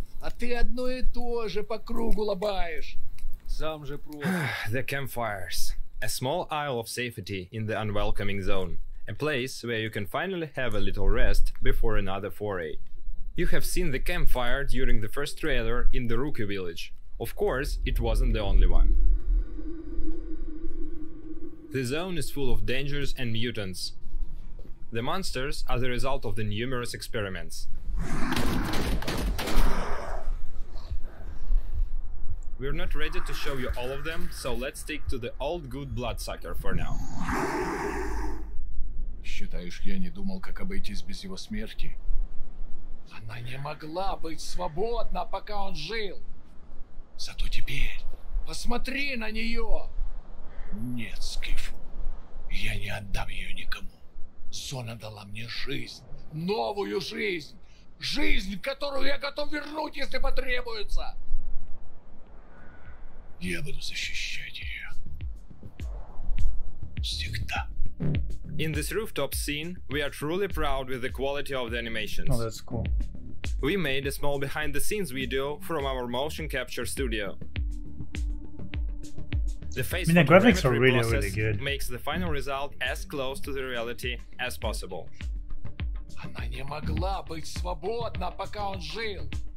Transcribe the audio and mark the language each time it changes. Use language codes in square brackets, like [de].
[ru] А ты одно и то же по кругу лобаешь. Сам же про. [en] The campfires. A small isle of safety in the unwelcoming zone. A place where you can finally have a little rest before another foray. You have seen the campfire during the first trailer in the Rookie Village. Of course, it wasn't the only one. The zone is full of dangers and mutants. The monsters are the result of the numerous experiments. We're not ready to show you all of them, so let's stick to the old good bloodsucker for now. [ru] Считаешь, я не думал, как обойтись без его смерти? Она не могла быть свободна, пока он жил. Зато теперь посмотри на нее. Нет, Скиф, я не отдам ее никому. Зона дала мне жизнь, новую жизнь. Жизнь, которую я готов вернуть, если потребуется. Я буду защищать ее. Всегда. [en] In this rooftop scene, we are truly proud with the quality of the animations. Oh, that's cool. We made a small behind the scenes video from our motion capture studio. The face, I mean, the graphics are really, really good. Makes the final result as close to the reality as possible. [ru] Она не могла быть свободна, пока он жил.